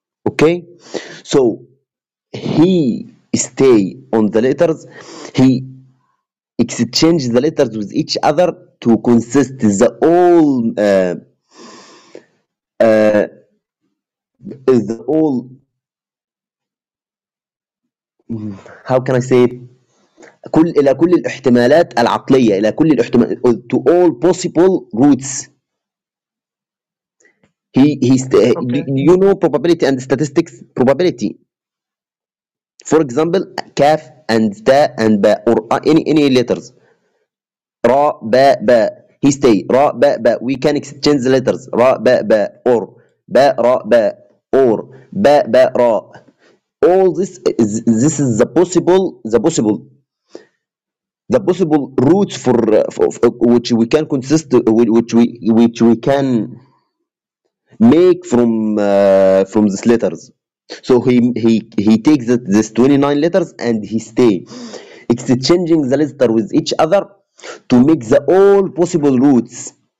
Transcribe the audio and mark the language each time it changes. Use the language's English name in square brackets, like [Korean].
[English] Okay, so he stay on the letters, he exchange the letters with each other to consist the all is the all. How can I say it? [Arabic] إلى كل الاحتمالات العقلية إلى كل الاحتمالات [English] to all possible roots. Okay. You know probability and statistics probability. For example, كاف and تاء and باء or any letters. [Arabic] راء باء باء. [English] He stay [Arabic] راء باء باء. [English] We can exchange the letters [Arabic] راء باء باء or باء راء باء or باء باء راء. [English] All this is the possible roots for which we can consist, which we can make from these letters. So he takes this 29 letters and he stay exchanging the letter with each other to make the all possible roots.